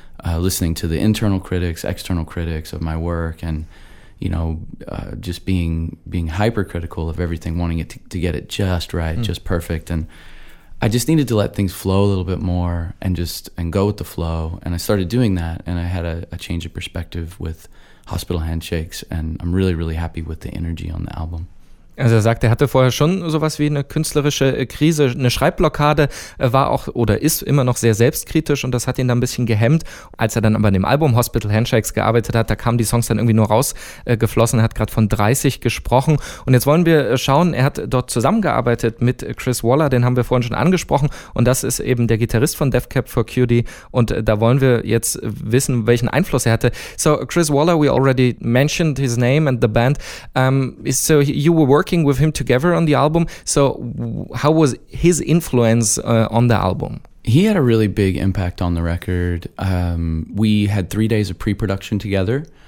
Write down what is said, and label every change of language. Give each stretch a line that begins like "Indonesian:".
English: Listening to the internal critics, external critics of my work, and you know, just being hypercritical of everything, wanting it to get it just right, just perfect. And I just needed to let things flow a little bit more, and go with the flow. And I started doing that, and I had a change of perspective with Hospital Handshakes, and I'm really, really happy with the energy on the album.
German: Also er sagt, er hatte vorher schon sowas wie eine künstlerische Krise, eine Schreibblockade, war auch oder ist immer noch sehr selbstkritisch und das hat ihn dann ein bisschen gehemmt. Als er dann aber an dem Album Hospital Handshakes gearbeitet hat, da kamen die Songs dann irgendwie nur rausgeflossen, hat gerade von 30 gesprochen. Und jetzt wollen wir schauen, er hat dort zusammengearbeitet mit Chris Waller, den haben wir vorhin schon angesprochen und das ist eben der Gitarrist von Death Cab for Cutie und da wollen wir jetzt wissen, welchen Einfluss er hatte.
English: So Chris Waller, we already mentioned his name and the band. So you were working with him together on the album. So how was his influence on the album? He had a really big impact on the record. We had 3 days of pre-production together.